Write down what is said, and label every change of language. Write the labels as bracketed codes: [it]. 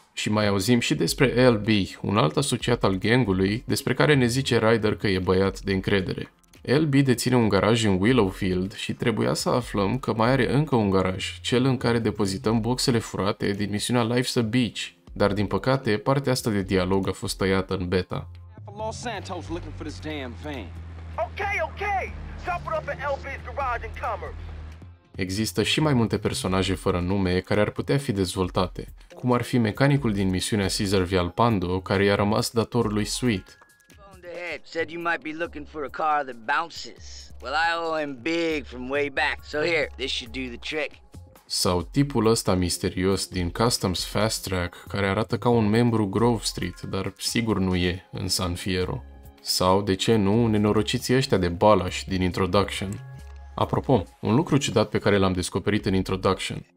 [ro] Și mai auzim și despre LB, un alt asociat al gangului, despre care ne zice Ryder că e băiat de încredere. LB deține un garaj în Willowfield și trebuia să aflăm că mai are încă un garaj, cel în care depozităm boxele furate din misiunea Life's a Beach. Dar din păcate, partea asta de dialog a fost tăiată în beta. [en] Los Santos looking for this damn thing. Okay. Stop it up in LB's garage in Commerce. [ro] Există și mai multe personaje fără nume care ar putea fi dezvoltate, cum ar fi mecanicul din misiunea Cesar Villalpando, care i-a rămas dator lui Sweet. [en] Said you might be looking for a car that bounces. Well, I owe him big from way back. So here, this should do the trick. [ro] Sau tipul ăsta misterios din Customs Fast Track, care arată ca un membru Grove Street, dar sigur nu e în San Fierro. Sau, de ce nu, nenorociții ăștia de Balash din Introduction. Apropo, un lucru ciudat pe care l-am descoperit în Introduction.